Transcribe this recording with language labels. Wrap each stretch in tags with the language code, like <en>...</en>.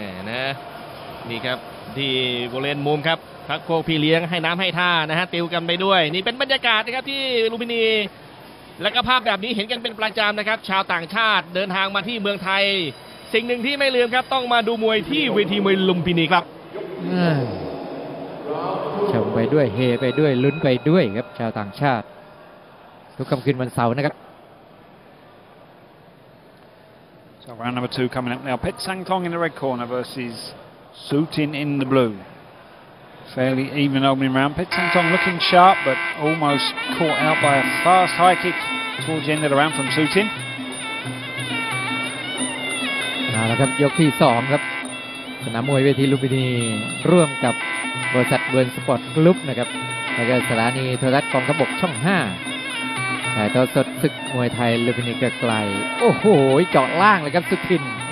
<th>นะนี่ครับที่บริเวณมุมครับพักโคพี่เลี้ยงให้น้ำให้ท่านะฮะติวกันไปด้วยนี่เป็นบรรยากาศนะครับที่ลุมพินีแล้วก็ภาพแบบนี้เห็นกันเป็นประจำนะครับชาวต่างชาติเดินทางมาที่เมืองไทยสิ่งหนึ่งที่ไม่ลืมครับต้องมาดูมวยที่เวทีมวยลุมพินีครับ ชมไปด้วยเฮไปด้วยลุ้นไปด้วยครับชาวต่างชาติทุกคำคืนวันเสาร์นะครับ</th> <en>So round number 2 coming up now Pet Sang Tong in the red corner versus Sutin in the blue Fairly even opening round Pet Sang Tong looking sharp but almost caught out by a fast high kick towards the end of the round from Sutin</en> <th>นะครับยกที่2ครับสนามมวยเวทีลุมพินีร่วมกับบริษัทเบิร์นสปอร์ตกรุ๊ปนะครับแล้วก็สถานีโทรทัศน์กองทัพบกช่อง5ถ่ายทอดสดศึกมวยไทยลุมพินีไกลโอ้โหเจาะล่างเลยครับสุทิน</th>